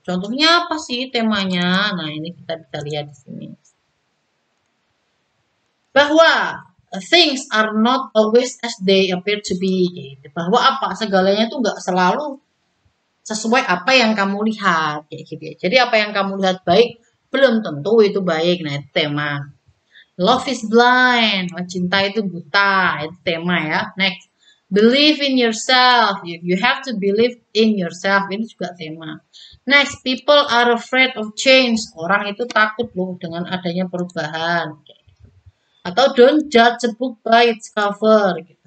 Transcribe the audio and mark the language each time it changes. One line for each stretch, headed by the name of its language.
Indonesian: Contohnya apa sih temanya? Nah, ini kita bisa lihat di sini. Bahwa
English: things are not always as they appear to be.
Indonesian: Gitu. Bahwa apa? Segalanya itu nggak selalu sesuai apa yang kamu lihat. Kayak gitu ya. Jadi, apa yang kamu lihat baik, belum tentu itu baik. Nah, itu tema.
English: Love is blind.
Indonesian: Cinta itu buta. Itu tema ya. Next.
English: Believe in yourself. You have to believe in yourself.
Indonesian: Ini juga tema.
English: Next, people are afraid of change.
Indonesian: Orang itu takut loh dengan adanya perubahan. Atau
English: don't judge a book by its cover.